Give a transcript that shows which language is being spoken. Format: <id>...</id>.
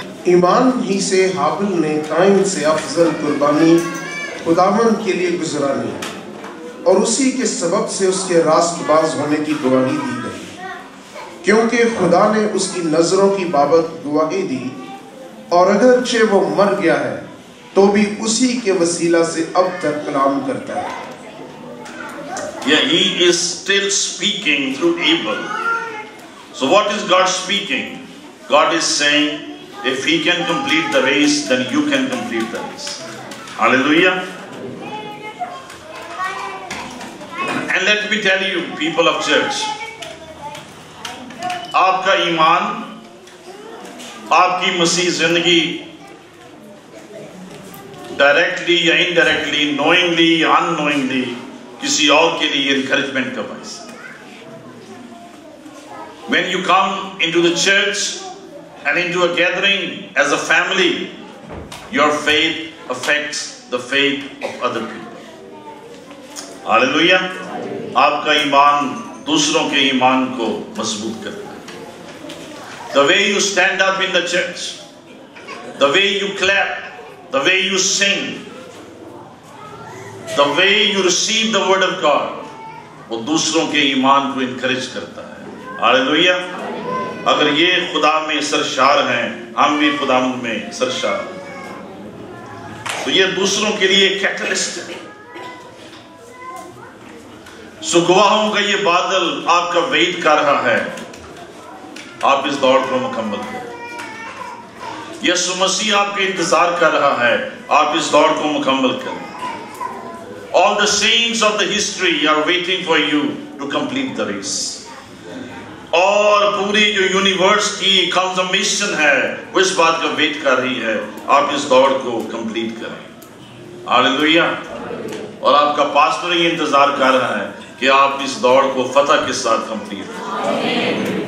<ur>ایمان ہی سے حابل نے قائم سے افضل قربانی خداوند کے لیے گزرانی اور اسی کے سبب سے اس کے راست باز ہونے کی گواہی دی گئی, کیونکہ خدا نے اس کی نظروں کی بابت گواہی دی اور اگرچہ وہ مر گیا ہے تو بھی اسی کے وسیلہ سے اب تک کلام کرتا ہے.</ur> <en>Yeah, he is still speaking through Abel. So what is God speaking? God is saying, if he can complete the race, then you can complete the race. Hallelujah. And let me tell you, people of church,</en> <ur>آپ کا ایمان, آپ کی مسیح زندگی directly یا indirectly, knowingly یا ان knowingly, کسی اور کے لیے انکریجمنٹ کا باعث.</ur> <en>When you come into the church and into a gathering as a family, your faith affects the faith of other people. Hallelujah.</en> <ur>آپ کا ایمان دوسروں کے ایمان کو مضبوط کرتا ہے.</ur> <en>The way you stand up in the church, the way you clap, the way you sing, the way you receive the word of God,</en> <ur>وہ دوسروں کے ایمان کو انکریج کرتا ہے.</ur> <en>Hallelujah.</en> <ur>اگر یہ خدا میں سرشار ہیں, ہم بھی خدا میں سرشار ہیں, تو یہ دوسروں کے لیے کیٹلسٹ ہے. سو گواہوں کا یہ بادل آپ کا ویٹ کر رہا ہے, آپ اس دوڑ کو مکمل کریں. یسوع مسیح آپ کے انتظار کر رہا ہے, آپ اس دوڑ کو مکمل کریں.</ur> <en>All the saints of the history are waiting for you to complete the race.</en> <ur>اور پوری جو یونیورس کی کنفرمیشن ہے وہ اس بات کا ویٹ کر رہی ہے, آپ اس دوڑ کو کمپلیٹ کریں.</ur> <en>Hallelujah.</en> <ur>اور آپ کا پاسٹر یہ انتظار کر رہا ہے کہ آپ اس دوڑ کو فتح کے ساتھ کمپلیٹ کریں.</ur>